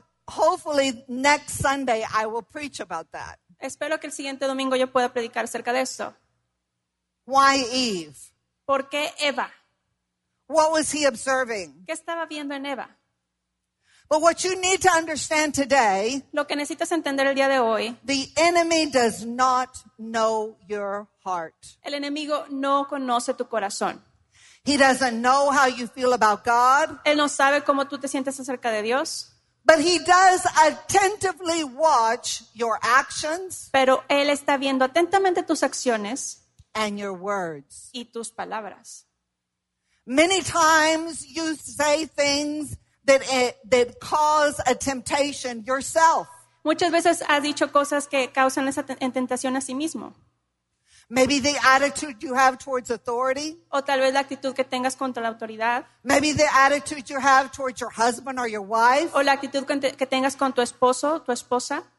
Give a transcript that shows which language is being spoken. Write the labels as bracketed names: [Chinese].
[English] Hopefully next Sunday I will preach about that. [Spanish] Espero que el siguiente domingo yo pueda predicar acerca de eso. [English] Why Eve? [Spanish] ¿Por qué Eva? [English] What was he observing? [Spanish] ¿Qué estaba viendo en Eva? [English] But what you need to understand today, [Spanish] lo que necesitas entender el día de hoy, [English] the enemy does not know your heart. [Spanish] El enemigo no conoce tu corazón. [English] He doesn't know how you feel about God. [Spanish] Él no sabe cómo tú te sientes acerca de Dios. [English] But he does attentively watch your actions. [Spanish] Pero él está viendo atentamente tus acciones. [English] And your words. [Spanish] Y tus palabras. [English] Many times you say things that cause a temptation yourself. [Spanish] Muchas veces has dicho cosas que causan esa tentación a sí mismo. [English] Maybe the attitude you have towards authority. [Spanish] O tal vez la actitud que tengas contra la autoridad. [English] Maybe the attitude you have towards your husband or your wife. [Spanish] O la actitud que tengas con tu esposo, tu esposa.